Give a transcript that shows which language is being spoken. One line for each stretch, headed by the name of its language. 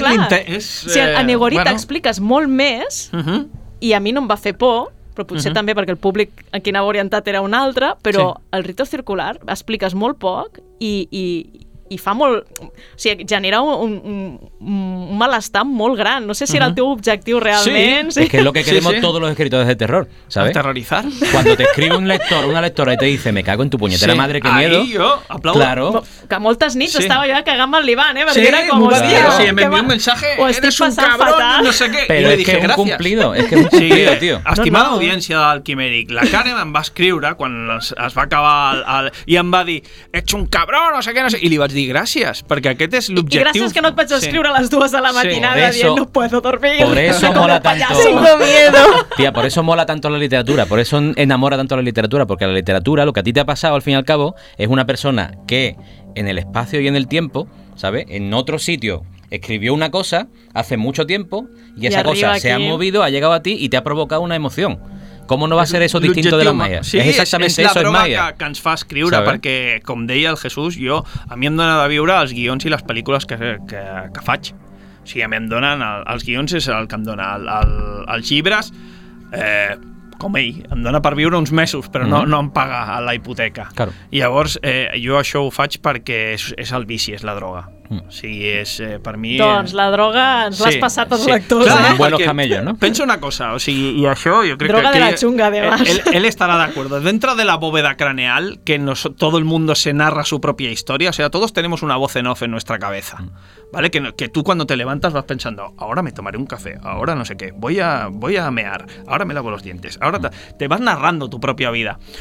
Catalan: Realment, clar. A Negorit t'expliques molt més i a mi no em va fer por, però potser també perquè el públic en quin havia orientat era un altre, però el rito circular expliques molt poc i fa molt... O sigui, genera un malestar molt gran. No sé si era el teu objectiu realment.
Spanish: Sí. Es que es lo que queremos todos los escritores de terror, ¿sabes? Aterrorizar. Cuando te escribe un lector, una lectora, y te dice, me cago en tu puñetera madre, qué miedo. Ahí yo aplaudo. Claro.
Catalan: Que moltes nits estava jo cagant-me al Liván, ¿eh? Sí,
Spanish: era como, sí, me envió un mensaje, eres un cabrón, fatal. No sé qué. Pero y le dije, gracias. Es que es un cumplido, tío.
Catalan: Estimada audiència del Quimèric, la Karen em va escriure quan es va acabar i em va dir, ets un cabrón, no sé què, no sé. I li vaig dir, gràcies, perquè aquest és l'objectiu. I gràcies que no et vaig escriure a les 2 de la matinada dient
Spanish: no puedo dormir. Por eso mola tanto. Tengo miedo. Tía, por eso mola tanto la literatura, por eso enamora tanto la literatura, porque la literatura, lo que a ti te ha pasado al fin y al cabo, es una persona que en el espacio y en el tiempo, ¿sabes? En otro sitio escribió una cosa hace mucho tiempo y esa cosa se ha movido, ha llegado a ti y te ha provocado una emoción. ¿Cómo no va a ser eso distinto de la magia? Sí, es exactamente
Catalan: és la
Spanish: eso, es magia.
Catalan: Que ens fa escriure, ¿sabe? Perquè, com deia el Jesús, jo, a mi em dona de viure els guions i les pel·lícules que faig. O sigui, a mi em donen els guions, és el que em dona els llibres, com ell, em dona per viure uns mesos, però no em paga la hipoteca.
Spanish: Claro.
Catalan: Llavors, jo això ho faig perquè és el vici, és la droga. O sigui, és, per mi... Doncs la droga ens l'has passat als lectors. Clar, eh?
Spanish: Bueno, camello, ¿no?
Catalan: Penso una cosa, o sigui, i això jo crec droga que...
Spanish: Droga de la chunga, además.
Catalan: Él estarà d'acord.
Spanish: Dentro de la bóveda craneal, que todo el mundo se narra su propia historia, o sea, todos tenemos una voz en off en nuestra cabeza, ¿vale? Que tú cuando te levantas vas pensando, ahora me tomaré un café, ahora no sé qué, voy a mear, ahora me lavo los dientes, ahora te vas narrando tu propia vida.